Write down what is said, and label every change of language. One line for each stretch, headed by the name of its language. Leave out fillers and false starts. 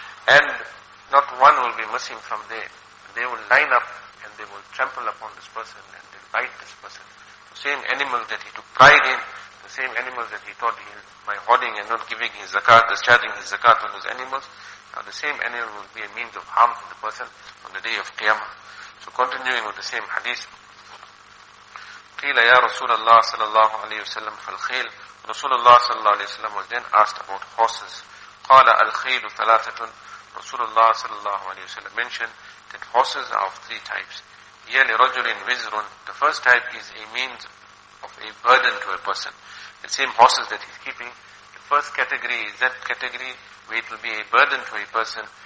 English: And not one will be missing from there. They will line up and they will trample upon this person and they'll bite this person. The same animal that he took pride in, the same animal that he thought he, by hoarding and not giving his zakat, discharging his zakat on those animals, now the same animal will be a means of harm to the person on the day of Qiyamah. So continuing with the same hadith,
Arabic: قِيلَ يَا رَسُولَ اللَّهِ صَلَى اللَّهُ عَلَيْهُ وَسَلَّمْ فَالْخَيْلِ.
English: Rasulullah sallallahu alayhi wa sallam was then asked about horses.
Arabic: Qala al-khayl thalathatun.
English: Rasulullah sallallahu alayhi wa sallam mentioned that horses are of three types.
Arabic: Hiya li rajulin wizrun.
English: The first type is a means of a burden to a person. The same horses that he's keeping. The first category is that category where it will be a burden to a person.